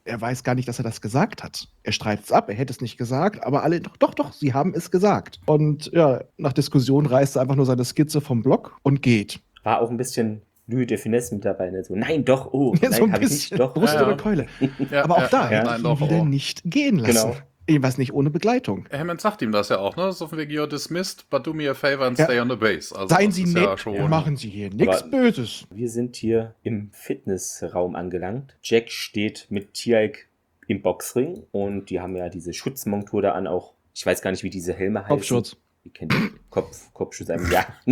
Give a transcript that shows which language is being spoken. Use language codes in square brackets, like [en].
[de] Er weiß gar nicht, dass er das gesagt hat. Er streitet es ab, er hätte es nicht gesagt, aber alle, doch, sie haben es gesagt. Und ja, nach Diskussion reißt er einfach nur seine Skizze vom Block und geht. War auch ein bisschen Lüe de Finesse mit dabei, ne? So, nein, doch, oh, ja, nein, so ein bisschen ich nicht, doch. Ja, ja. Keule. Ja, aber auch da, ja, nein, doch, wieder nicht gehen lassen. Genau. Irgendwas nicht ohne Begleitung. Hammond sagt ihm das ja auch, ne? So von wegen, [en] you're dismissed, but do me a favor and stay on the base. [de] Also seien Sie nett, machen Sie hier nichts Böses. Wir sind hier im Fitnessraum angelangt. Jack steht mit T'Jaik im Boxring und die haben ja diese Schutzmontur da an, auch, ich weiß gar nicht, wie diese Helme heißen. Kopfschutz. Ich kenne den Kopfschutz einem, ja.